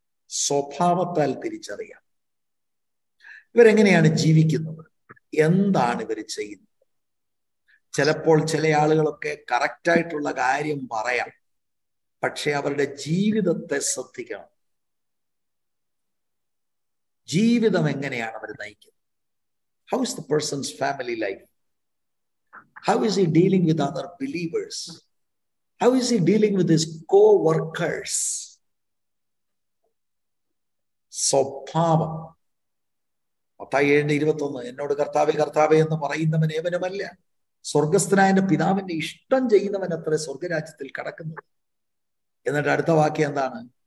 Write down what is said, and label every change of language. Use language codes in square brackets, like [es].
[ml] സ്വഭാവത്താൽ തിരിച്ചറിയാം ഇവരെങ്ങനെയാണ് ജീവിക്കുന്നത്, എന്താണ് ഇവർ ചെയ്യുന്നത്. ചിലപ്പോൾ ചില ആളുകളൊക്കെ കറക്റ്റായിട്ടുള്ള കാര്യം പറയാം, പക്ഷെ അവരുടെ ജീവിതത്തെ ശ്രദ്ധിക്കണം. ജീവിതം എങ്ങനെയാണ് അവർ നയിക്കുന്നത്? [en] How is the person's family life? How is he dealing with other believers? How is he dealing with his co-workers? [ml] സ്വഭാവം. മത്തായി 7:21, എന്നോട് കർത്താവേ കർത്താവേ എന്ന് പറയുന്നവൻ ഏവനുമല്ല, സ്വർഗസ്ഥനായ പിതാവിന്റെ ഇഷ്ടം ചെയ്യുന്നവൻ അത്ര സ്വർഗരാജ്യത്തിൽ കടക്കുന്നത്. എന്നിട്ട് അടുത്ത വാക്യം എന്താണ്?